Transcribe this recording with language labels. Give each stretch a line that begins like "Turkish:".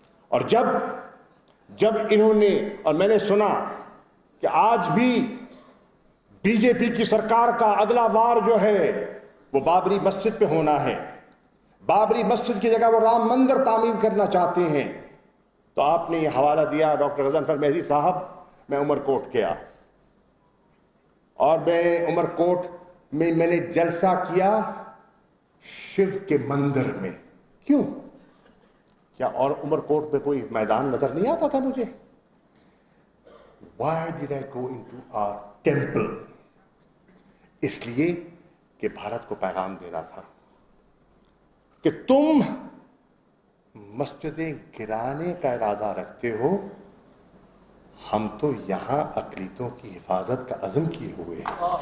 Hindi: और जब इन्होंने, और मैंने सुना कि आज भी बीजेपी की सरकार का अगला वार जो है वो बाबरी मस्जिद पे होना है, बाबरी मस्जिद की जगह वो राम मंदिर तामीर करना चाहते हैं, तो आपने ये हवाला दिया डॉक्टर गजनफर मेहदी साहब, मैं उमरकोट गया और मैं उमरकोट में मैंने जलसा किया शिव के मंदिर में। क्यों? क्या और उमरकोट में कोई मैदान नजर नहीं आता था मुझे?
English: Why did I go into our temple?
Hindi: इसलिए कि भारत को पैगाम देना था कि तुम मस्जिदें गिराने का इरादा रखते हो, हम तो यहां अकलीतों की हिफाजत का अजम किए हुए हैं।